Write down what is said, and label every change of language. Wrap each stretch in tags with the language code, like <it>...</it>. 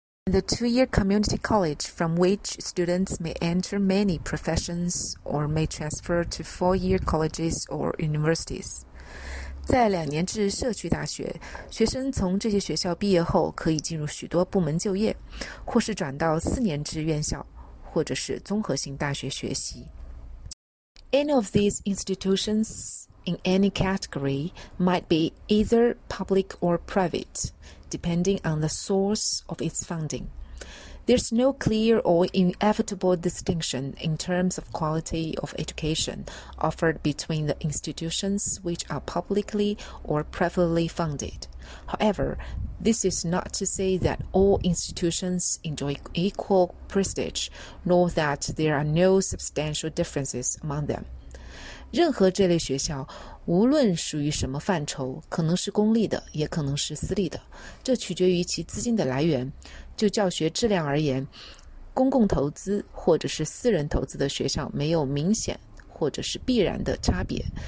<en>The two-year community college from which students may enter many professions or may transfer to four-year colleges or universities.</en> <zh>在2年制社区大学，学生从这些学校毕业后可以进入许多部门就业，或是转到4年制院校。或者是综合性大学学习。</zh> <en>Any of these institutions in any category might be either public or private, depending on the source of its funding. There's no clear or inevitable distinction in terms of quality of education offered between the institutions which are publicly or privately funded. However, this is not to say that all institutions enjoy equal prestige, nor that there are no substantial differences among them.</en> <zh>任何这类学校，无论属于什么范畴，可能是公立的，也可能是私立的，这取决于其资金的来源。就教学质量而言，公共投资或者是私人投资的学校没有明显或者是必然的差别。</zh>